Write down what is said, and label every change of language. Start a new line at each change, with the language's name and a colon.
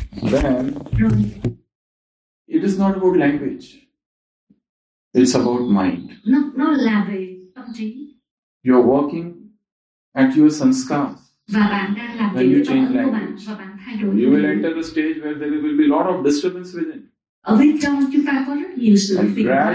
English: Then, it is not about language. It's about mind.
Vietnamese: Nó là về tâm trí.
English: You're working at your sanskar.
Vietnamese: Và bạn đang làm việc với tâm trí của bạn.
English: You will enter the stage where there will be a lot of disturbance within.
Vietnamese: Ở bên trong chúng ta có rất nhiều sự phiền não.